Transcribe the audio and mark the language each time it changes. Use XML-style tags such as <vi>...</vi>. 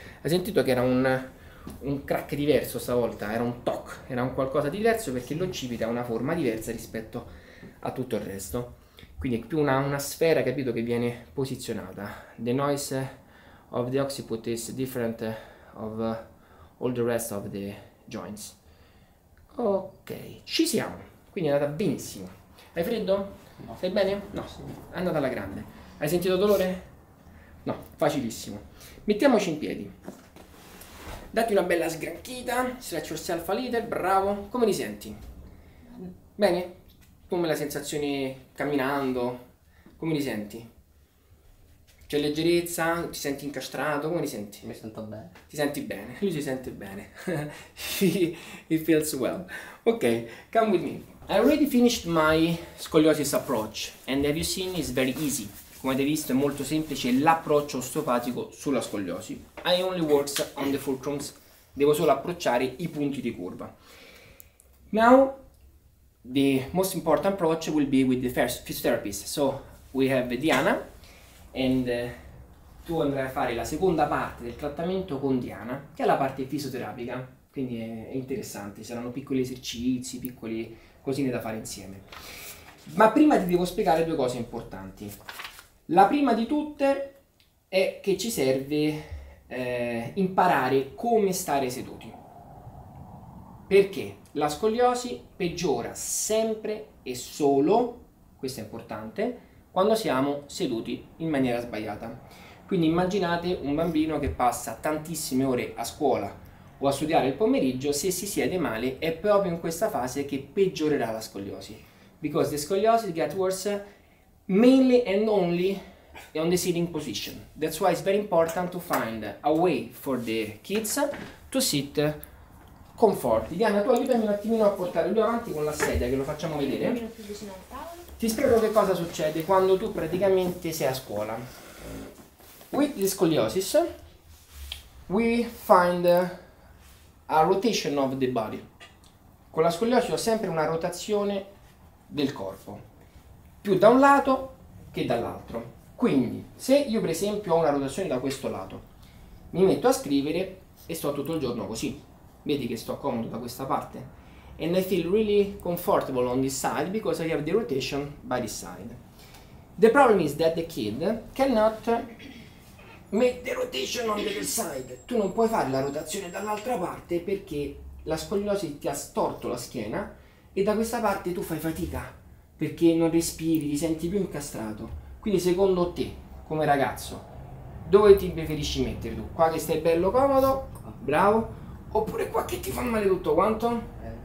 <it>Hai sentito che era un crack diverso stavolta, era un toc, era un qualcosa di diverso perché l'occipite ha una forma diversa rispetto a tutto il resto. Quindi è più una sfera, capito, che viene posizionata.</it> <en>The noise of the occiput is different of all the rest of the joints.</en> <it>Ok, ci siamo. Quindi è andata benissimo. Hai freddo? No. Stai bene? No. È andata alla grande. Hai sentito dolore? No, facilissimo. Mettiamoci in piedi. Datti una bella sgranchita.</it> <en>Stretch yourself a little,</en> <it>bravo. Come ti senti? Bene? Come la sensazione camminando? Come ti senti? C'è leggerezza? Ti senti incastrato? Come ti senti? Mi sento bene. Ti senti bene? Lui si sente bene.</it> <en>He feels well. Ok, come with me. I already finished my scoliosis approach and have you seen it's very easy.</en> <it>Come avete visto è molto semplice l'approccio osteopatico sulla scoliosi.</it> <en>I only works on the fulcrums.</en> <it>Devo solo approcciare i punti di curva.</it> <en>Now the most important approach will be with the first physiotherapist. So we have Diana and</en> <it>tu andrai a fare la seconda parte del trattamento con Diana, che è la parte fisioterapica. Quindi è interessante, saranno piccoli esercizi, piccoli cosine da fare insieme. Ma prima ti devo spiegare due cose importanti. La prima di tutte è che ci serve imparare come stare seduti. Perché la scoliosi peggiora sempre e solo, questo è importante, quando siamo seduti in maniera sbagliata. Quindi immaginate un bambino che passa tantissime ore a scuola o a studiare il pomeriggio, se si siede male è proprio in questa fase che peggiorerà la scoliosi.</it> <en>Because the scoliosis gets worse mainly and only on the sitting position. That's why it's very important to find a way for the kids to sit comfortably.</en> <it>Diana, tu aiutami un attimino a portare lui avanti con la sedia, che lo facciamo vedere. Ti spiego che cosa succede quando tu praticamente sei a scuola.</it> <en>With the scoliosis, we find a rotation of the body.</en> <it>Con la scoliosi ho sempre una rotazione del corpo, più da un lato che dall'altro. Quindi, se io per esempio ho una rotazione da questo lato, mi metto a scrivere e sto tutto il giorno così. Vedi che sto comodo da questa parte?</it> <en>And I feel really comfortable on this side because I have the rotation by this side. The problem is that the kid cannot make the rotation on the other side.</en> <it>Tu non puoi fare la rotazione dall'altra parte perché la scoliosi ti ha storto la schiena e da questa parte tu fai fatica perché non respiri, ti senti più incastrato. Quindi secondo te, come ragazzo, dove ti preferisci mettere tu? Qua che stai bello comodo? Bravo. Oppure qua che ti fa male tutto quanto?</it>